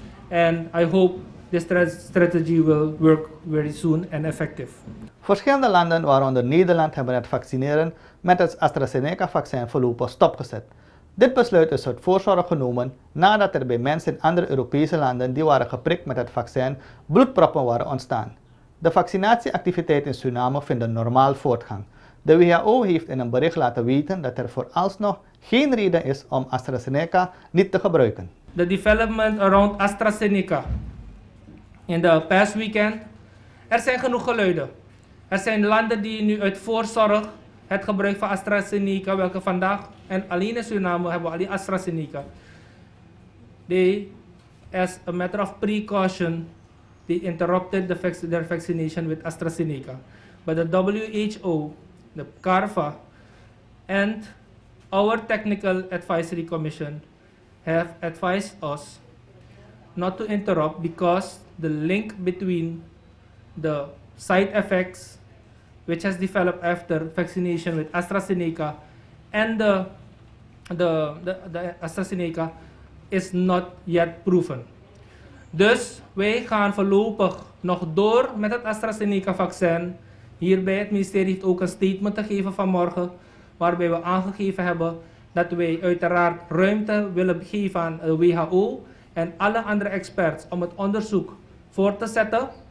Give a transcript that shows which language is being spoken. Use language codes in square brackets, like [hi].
[en] And I hope this strategy will work very soon and effective. [nl] Verschillende landen, waaronder Nederland, hebben het vaccineren met het AstraZeneca-vaccin voorlopig stopgezet. Dit besluit is uit voorzorg genomen nadat er bij mensen in andere Europese landen die waren geprikt met het vaccin bloedproppen waren ontstaan. De vaccinatieactiviteit in Suriname vindt een normaal voortgang. De WHO heeft in een bericht laten weten dat er vooralsnog geen reden is om AstraZeneca niet te gebruiken. [en] The development around AstraZeneca in the past weekend, [nl] er zijn genoeg geluiden. Er zijn landen die nu uit voorzorg het gebruik van AstraZeneca, welke vandaag en alleen in Suriname hebben we alleen AstraZeneca. [en] They, as a matter of precaution, they interrupted their vaccination with AstraZeneca. But the WHO, the CARFA, and our technical advisory commission have advised us not to interrupt because the link between the side effects which has developed after vaccination with AstraZeneca and the AstraZeneca is not yet proven. [nl] Dus wij gaan voorlopig nog door met het AstraZeneca vaccin. Hierbij, het ministerie heeft ook een statement te geven vanmorgen, waarbij we aangegeven hebben dat wij uiteraard ruimte willen geven aan de WHO en alle andere experts om het onderzoek voor te zetten.